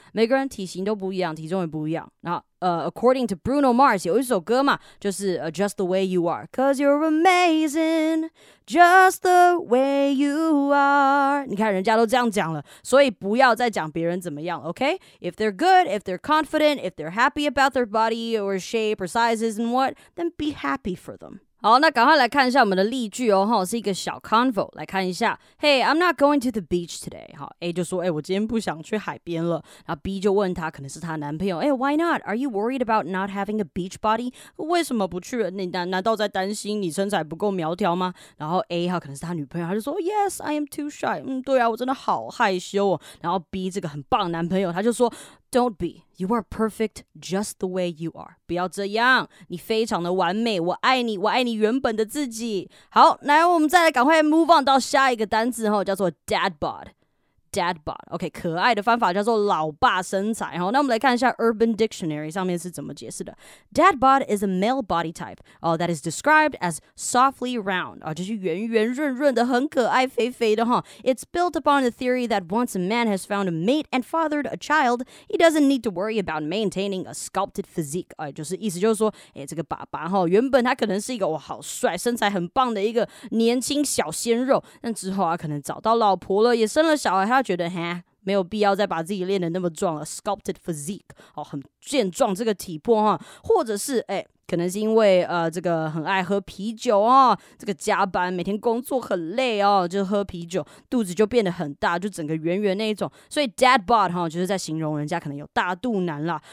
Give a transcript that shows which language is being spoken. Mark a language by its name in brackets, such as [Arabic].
[Chinese] 每个人体型都不一样，体重也不一样。 [English] 那according to Bruno Mars [Chinese] 有一首歌嘛，就是 [English] Just the way you are， cause you're amazing， just the way you are。 [Chinese] 你看人家都这样讲了，所以不要再讲别人怎么样了， OK？ [English] If they're good， if they're confident， if they're happy about their body or shape or sizes and what， then be happy for them。 [Chinese] 好，那赶快来看一下我们的例句哦，哈，是一个小 convo， 来看一下。 [English] Hey, I'm not going to the beach today. [Chinese] 哈 ，A 就说，哎、欸，我今天不想去海边了。然后 B 就问他，可能是他男朋友，哎、欸、， [English] Why not? Are you worried about not having a beach body? [Chinese] 为什么不去了？你难道在担心你身材不够苗条吗？然后 A 哈，可能是他女朋友，他就说 ， [English] Yes, I am too shy. [Chinese] 嗯，对啊，我真的好害羞哦。然后 B 这个很棒男朋友，他就说 ， [English] Don't be. You are perfect just the way you are. [Chinese] 不要这样，你非常的完美，我爱你，我爱你原本的自己。好，来，我们再来赶快 move on 到下一个单字哈，叫做 dad bod。 Dad bod, OK, 可爱的方法叫做老爸身材。 [English] 那我们来看一下 Urban Dictionary 上面是怎么解释的。Dad bod is a male body type, that is described as softly round, [Chinese] 就是圆圆润润的，很可爱，肥肥的。 [English] Huh? It's built upon the theory that once a man has found a mate and fathered a child, he doesn't need to worry about maintaining a sculpted physique. [Chinese] 就是意思就是说，哎，这个爸爸哈，原本他可能是一个哇好帅，身材很棒的一个年轻小鲜肉，但之后啊，可能找到老婆了，也生了小孩。他觉得哈没有必要再把自己练得那么壮了 ，sculpted physique 哦，很健壮这个体魄哈，或者是哎，可能是因为这个很爱喝啤酒哦，这个加班每天工作很累哦，就喝啤酒肚子就变得很大，就整个圆圆那一种，所以 dad bod 哈就是在形容人家可能有大肚腩啦。